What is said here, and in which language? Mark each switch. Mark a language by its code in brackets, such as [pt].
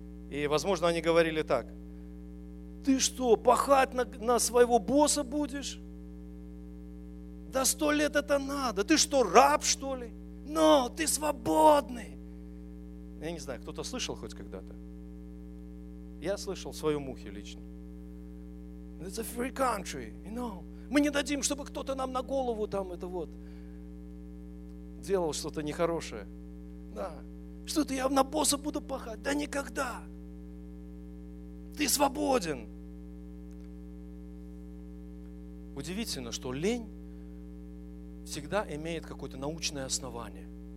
[ru] И, возможно, они говорили так. Ты что, пахать на своего босса будешь? Да 100 лет это надо. Ты что, раб, что ли? Но, ты свободный. Я не знаю, кто-то слышал хоть когда-то? Я слышал в своем ухе лично. [en] It's a free country, you know. [ru] Мы не дадим, чтобы кто-то нам на голову там это вот делал что-то нехорошее. Да. Что это я на босса буду пахать? Да никогда. Ты свободен. Удивительно, что лень всегда имеет какое-то научное основание.